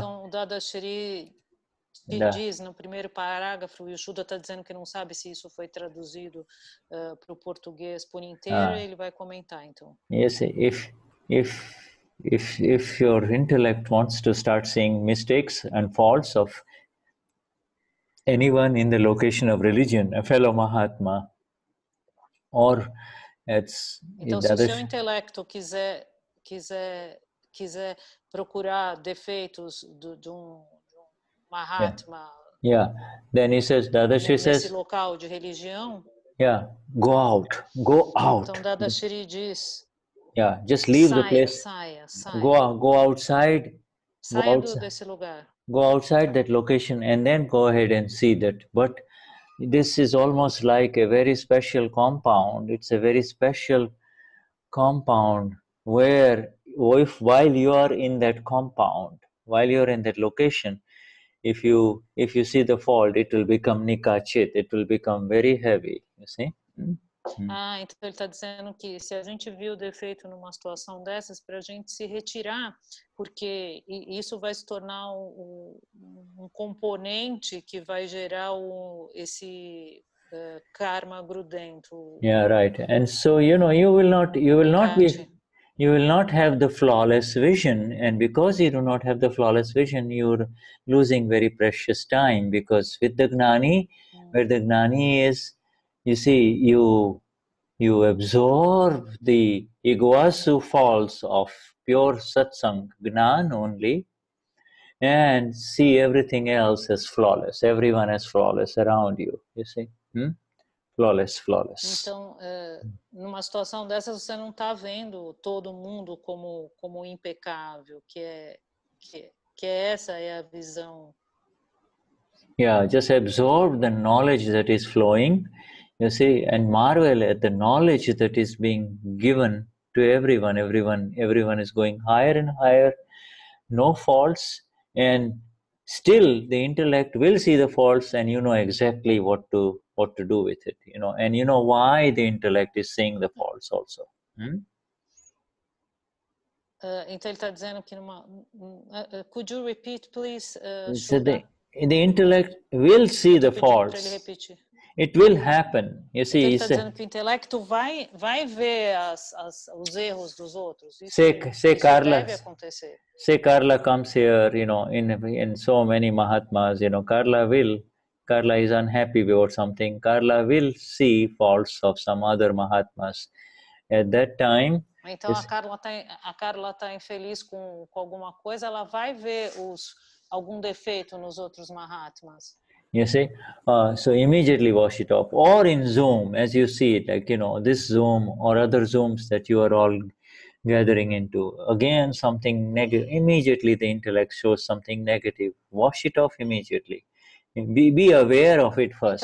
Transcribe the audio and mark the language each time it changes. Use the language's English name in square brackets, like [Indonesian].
[Portuguese] Então, o Dada Shri diz no primeiro parágrafo, e o Yashoda está dizendo que não sabe se isso foi traduzido para o português por inteiro, ele vai comentar, então. [English] Yes, if your intellect wants to start seeing mistakes and faults of anyone in the location of religion, a fellow Mahatma, or it's... [Portuguese] Então, se o seu intelecto quiser procurar defeitos de um Mahatma, [English] then he says, Dada Shri says, [Portuguese] nesse local de religião, [English] go out. [Portuguese] Então, Dada Shri diz, [English] just leave the place. [Portuguese] Saia. [English] Go outside. [Portuguese] Saia desse lugar. [English] Go outside that location and then go ahead and see that. But this is almost like a very special compound. It's a very special compound where while you are in that location, if you see the fault, it will become nikachit. It will become very heavy, you see? [Portuguese] Ah, então ele está dizendo que se a gente viu o defeito numa situação dessas, para a gente se retirar, porque isso vai se tornar um componente que vai gerar esse karma grudento. [English] Yeah, right. And so, you know, you will not have the flawless vision, and because you do not have the flawless vision, you're losing very precious time, because with the Gnani, where the Gnani is, you see, you absorb the iguasu faults of pure satsang, gnan only, and see everything else as flawless, everyone as flawless around you, you see? Flawless. [Portuguese] Então, numa situação dessas, você não está vendo todo mundo como impecável, que essa é a visão. [English] Yeah, just absorb the knowledge that is flowing. You see, and marvel at the knowledge that is being given to everyone. Everyone is going higher and higher, no faults, and still the intellect will see the faults, and you know exactly what to do with it. You know, and you know why the intellect is seeing the faults also. [Portuguese] Então ele está dizendo que numa. [English] Could you repeat, please? The intellect will see the faults. It will happen. You see, [Portuguese] ele está dizendo que o intelecto vai ver os erros dos outros. [English] Say Carla comes here, you know, in so many Mahatmas, you know, Carla is unhappy about something. Carla will see faults of some other Mahatmas. At that time. [Portuguese] Então a Carla tá infeliz com alguma coisa, ela vai ver algum defeito nos outros Mahatmas. [English] You see, so immediately wash it off, or in Zoom, as you see it, like, you know, this Zoom or other Zooms that you are all gathering into, again, something negative, immediately the intellect shows something negative, wash it off immediately, be aware of it first.